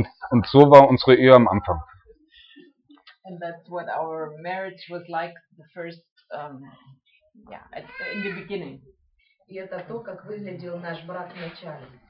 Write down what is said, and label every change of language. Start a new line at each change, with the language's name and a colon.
German: Und so war unsere Ehe am Anfang.
English: And that's what our marriage was like the first in the beginning.
Russian: И это то, как выглядел наш брак в начале.